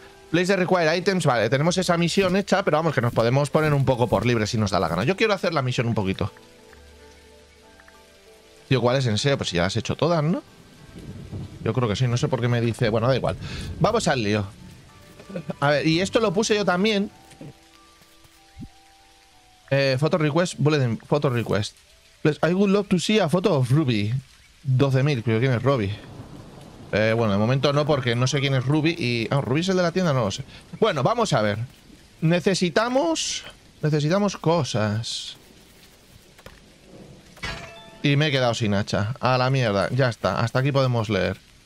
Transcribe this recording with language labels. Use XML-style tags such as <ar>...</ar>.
<en>place the required items,</en> <es>vale, tenemos esa misión hecha, pero vamos, que nos podemos poner un poco por libre si nos da la gana. Yo quiero hacer la misión un poquito. Tío, ¿cuál es en serio? Pues si ya las has hecho todas, ¿no? Yo creo que sí, no sé por qué me dice... bueno, da igual. Vamos al lío. A ver, y esto lo puse yo también.</es> <en>Photo request, bulletin, photo request. Please, I would love to see a photo of Ruby.</en> <es>12.000, creo que ¿quién es Ruby? Bueno, de momento no, porque no sé quién es Ruby y... ah, ¿Ruby es el de la tienda? No lo sé. Bueno, vamos a ver. Necesitamos cosas. Y me he quedado sin hacha. A la mierda. Ya está. Hasta aquí podemos leer.</es>